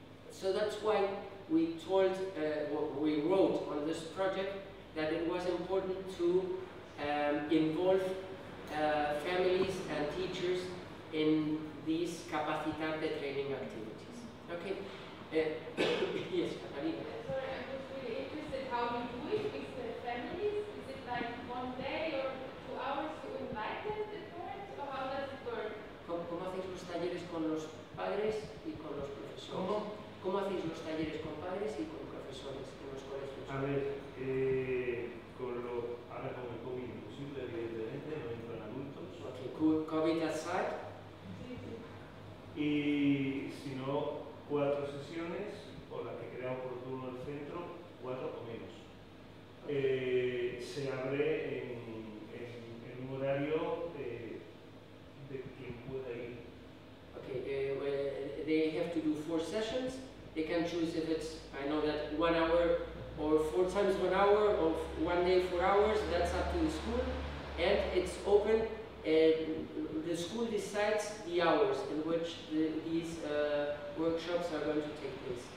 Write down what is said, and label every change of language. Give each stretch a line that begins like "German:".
English: So that's why we told, we wrote on this project that it was important to involve families and teachers in these capacitante training activities. Okay? yes, Catalina. Sorry, I was really interested how you do it. Is the families, is it like one day or 2 hours to invite them, the parents, or how does it work?
Spanish: ¿Cómo hacéis los talleres con los padres y con los profesores? ¿Cómo hacéis los talleres con padres y con profesores en los colegios? A ver, ahora con el COVID imposible, evidentemente, no entran adultos.
English: ¿COVID aside?
Spanish: Y si no, 4 sesiones, o las que crea oportuno el centro, 4 o menos. Se abre en un horario de quien pueda ir.
English: Okay, they have to do 4 sessions. They can choose if it's, I know that 1 hour or 4 times 1 hour or 1 day 4 hours, that's up to the school. And it's open, and the school decides the hours in which these workshops are going to take place.